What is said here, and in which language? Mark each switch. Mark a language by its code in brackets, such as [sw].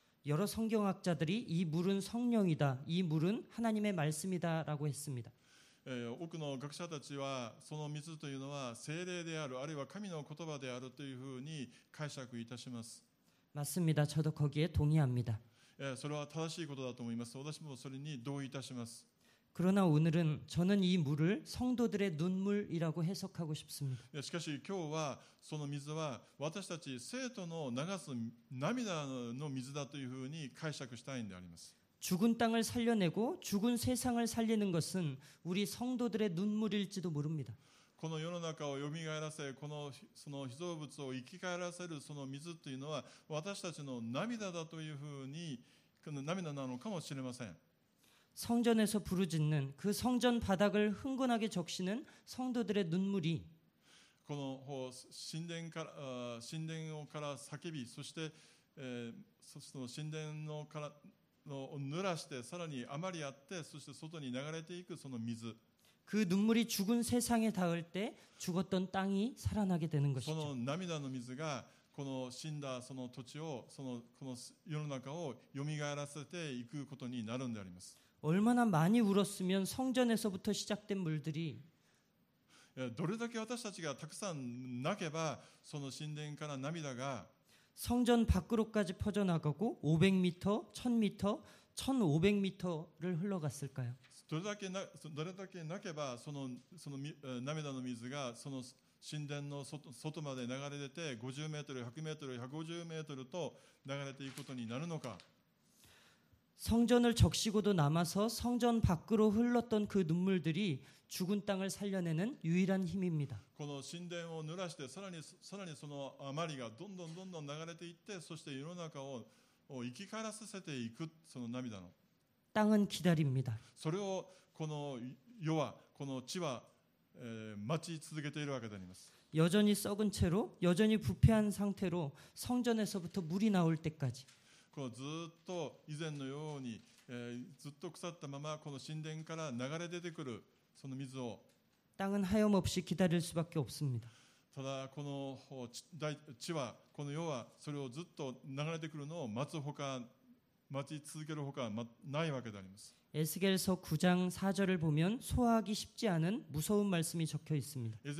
[ko] 여러성경학자들이이물은성령이다이물은하나님의말씀이다라고했습니다。 [ja] 多くの学者たちはその水というのは聖霊であるあるいは神の言葉であるというふうに解釈いたします。 [ko] 맞습니다。 저도거기에동의합니다。 [ja] それは正しいことだと思います。私もそれに同意いたします。 [ko] 그러나오늘은저는이물을성도들의눈물이라고해석하고싶습니다。 [ja] しかし今日はその水は私たち生徒の流す涙の水だというふうに解釈したいんであります。 [ko] 죽은땅을살려내고죽은세상을살리는것은우리성도들의눈물일지도모릅니다。 [ja] この世の中をよみがえらせこのその被造物を生き返らせるその水というのは私たちの涙だというふうに涙なのかもしれません。 [ko] 성전에서부르짖는그성전바닥을흥건하게적시는성도들의눈물이 [ja] この神殿から神殿をから叫び、そしてその神殿のからの濡らしてさらに余りあって、そして外に流れていくその水、 [ko] 그눈물이죽은세상에닿을때죽었던땅이살아나게되는것이죠。 [ja] その涙の水がこの死んだその土地をそのこの世の中をよみがえらせていくことになるんであります。 [ko] 얼마나많이울었으면성전에서부터시작된물들이 [ja] どれだけ私たちがたくさん泣けばその神殿から涙が [ko] 성전밖으로까지퍼져나가고500미터1000미터1500미터를흘러갔을까요。 [ja] どれだけ泣けばその涙の水がその神殿の 外まで流れ出て50メートル100メートル150メートルと流れていくことになるのか。 [ko] 성전을적시고도남아서성전밖으로흘렀던그눈물들이죽은땅을살려내는유일한힘입니다。 [ja] この神殿を濡らしてさらにその余りがどんどんどんどん流れていって、そして世の中を生き返らせていく、その涙の [ko] 땅은 기다립니다. [ja] それをこの世はこの地は待ち続けているわけであります。 [ko] 여전히 썩은 채로 여전히 부패한 상태로 성전에서부터 물이 나올 때까지. [ja] このずっと以前のようにずっと腐ったままこの神殿から流れ出てくるその水を [ko] 땅은 하염없이 기다릴 수밖에 없습니다. [ja] ただこの地はこの世はそれをずっと流れてくるのを待つほか待ち続けるほかないわけであります。 [ko] 에스겔서 9장 4절을 보면 소화하기 쉽지 않은 무서운 말씀이 적혀 있습니다.